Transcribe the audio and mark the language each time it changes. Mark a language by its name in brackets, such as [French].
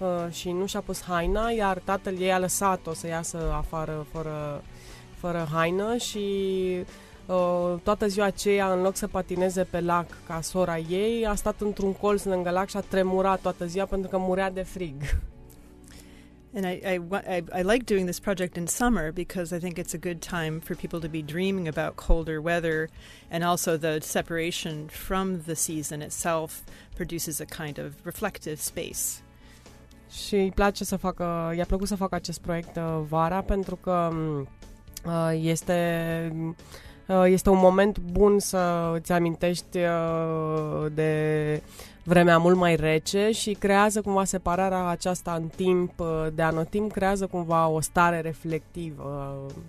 [Romanian] și nu și-a pus haina, iar tatăl ei a lăsat-o să iasă afară fără haină și toată ziua aceea, în loc să patineze pe lac ca sora ei, a stat într-un colț lângă lac și a tremurat toată ziua pentru că murea de frig. [English] And I like doing this project in summer because I think it's a good time for people to be dreaming about colder weather, and also the separation from the season itself produces a kind of reflective space. [Romanian] Și i-a plăcut să facă acest proiect vara pentru că este un moment bun să îți amintești de vremea mult mai rece și creează cumva separarea aceasta în timp, de anotimp, creează cumva o stare reflectivă.